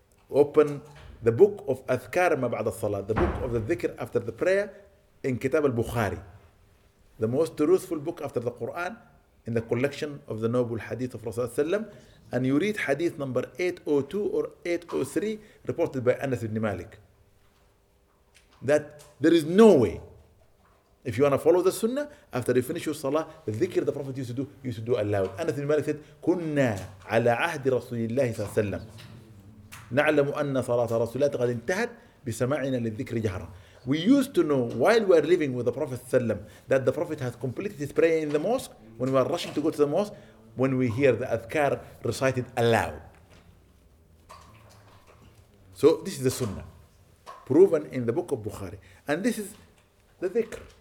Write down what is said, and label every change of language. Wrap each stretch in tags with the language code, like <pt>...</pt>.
<en>Open the book of Adhkar Ma Ba'da Salah, the book of the dhikr after the prayer in Kitab al-Bukhari, the most truthful book after the Quran in the collection of the noble hadith of Rasulullah ﷺ, and you read hadith number 802 or 803 reported by Anas ibn Malik. That there is no way, if you want to follow the sunnah, after you finish your salah, the dhikr the Prophet used to do, you should do aloud. Anas ibn Malik said,</en> <ar>"Kunna ala ahdi Rasulullah ﷺ. نعلم أن صلاة رسولات قد انتهت بسماعنا للذكر جهرا."</ar> <en>We used to know while we are living with the Prophet sallam that the Prophet has completed his prayer in the mosque, when we are rushing to go to the mosque, when we hear the adhkar recited aloud. So this is the sunnah proven in the book of Bukhari, and this is the dhikr.</en>